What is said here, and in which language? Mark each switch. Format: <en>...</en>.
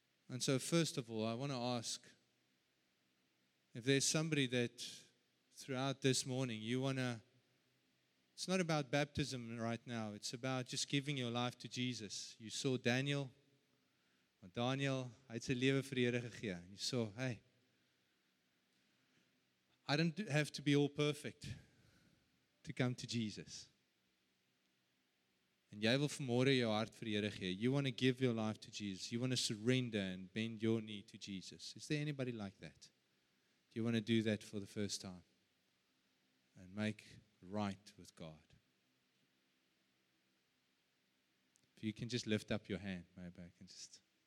<en>And so first of all, I want to ask if there's somebody that throughout this morning you want to, it's not about baptism right now, it's about just giving your life to Jesus. You saw</en> <af>Daniel, hy het sy lewe vir die Here gegee.</af> <en>You saw, hey, I don't have to be all perfect to come to Jesus.</en> <af>And jy wil vanmôre jou hart vir die Here gee.</af> <en>You want to give your life to Jesus. You want to surrender and bend your knee to Jesus. Is there anybody like that? Do you want to do that for the first time? And make right with God. If you can just lift up your hand, maybe I can just...</en>